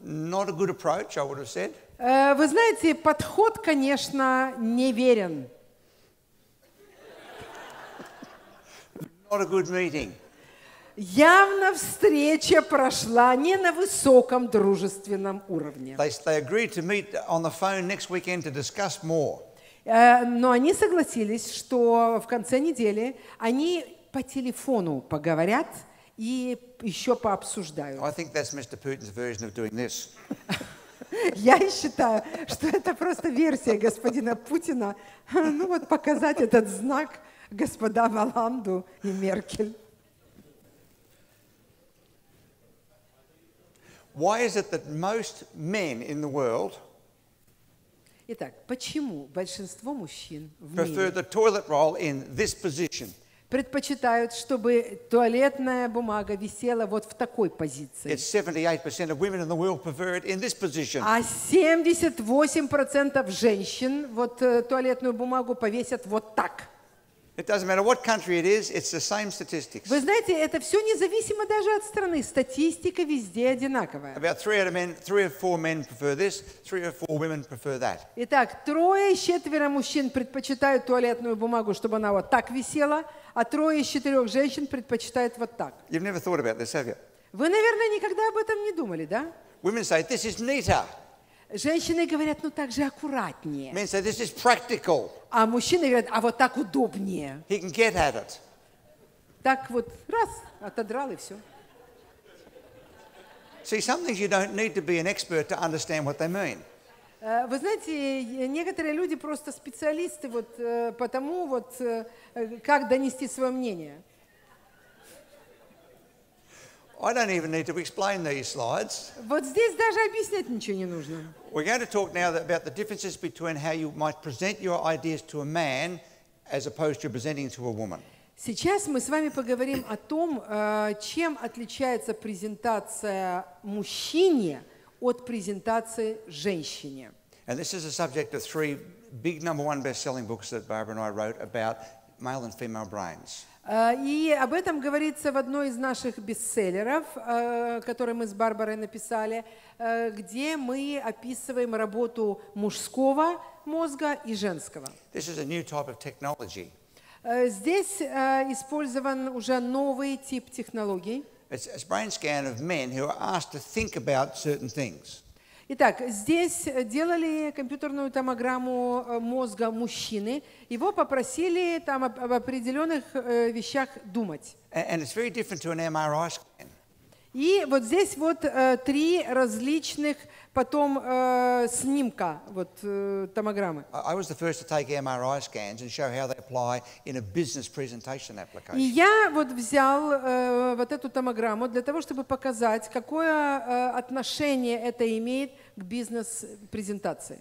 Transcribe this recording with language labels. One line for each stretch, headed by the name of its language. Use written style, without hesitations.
English: Not a good approach, I would have said.
Russian: Вы знаете, подход, конечно, неверен.
English: Not a good meeting.
Russian: Явно встреча прошла не на высоком дружественном уровне.
English: They agreed to meet on the phone next weekend to discuss more.
Russian: Но они согласились, что в конце недели они по телефону поговорят и еще пообсуждают.
English: I think that's Mr. Putin's version of doing this.
Russian: Я считаю, что это просто версия господина Путина, ну вот показать этот знак господам Оланду и Меркель.
English: Why is it that most men in the world?
Russian: Итак, почему большинство мужчин предпочитают, чтобы туалетная бумага висела вот в такой позиции?
English: It's 78% of women in the world prefer it in this position.
Russian: А 78% женщин вот туалетную бумагу повесят вот так.
English: It doesn't matter what country it is, it's the same statistics.
Russian: Вы знаете, это все независимо даже от страны. Статистика везде одинаковая.
English: About three or four men prefer this, three or four women prefer that.
Russian: Итак, трое из четверо мужчин предпочитают туалетную бумагу, чтобы она вот так висела, а трое из четырех женщин предпочитают вот так.
English: You've never thought about this, have you?
Russian: Вы, наверное, никогда об этом не думали, да?
English: Women say, this is neater.
Russian: Женщины говорят, ну так же аккуратнее.
English: Men say, this is practical.
Russian: А мужчины говорят, а вот так удобнее.
English: He can get at it.
Russian: Так вот, раз, отодрал и все.
English: See, some things you don't need to be an expert to understand what they mean.
Russian: Вы знаете, некоторые люди просто специалисты вот по тому, вот как донести свое мнение.
English: I don't even need to explain these slides.
Russian: Вот здесь даже объяснять ничего не нужно.
English: We're going to talk now about the differences between how you might present your ideas to a man as opposed to presenting to a woman.
Russian: Сейчас мы с вами поговорим о том, чем отличается презентация мужчине от презентации женщине.
English: And this is the subject of three big number one best-selling books that Barbara and I wrote about male and female brains.
Russian: И об этом говорится в одной из наших бестселлеров, который мы с Барбарой написали, где мы описываем работу мужского мозга и женского.
English: This is a new type of technology.
Russian: Здесь использован уже новый тип технологий.
English: It's a brain scan of men who are asked to think about certain things.
Russian: Итак, здесь делали компьютерную томограмму мозга мужчины. Его попросили там об определенных вещах думать.
English: And it's very different to an MRI scan.
Russian: И вот здесь вот три различных потом снимка, вот томограммы.
English: I was the first to take MRI scans and show how they apply in a business presentation application.
Russian: И я вот взял вот эту томограмму для того, чтобы показать, какое отношение это имеет к бизнес-презентации.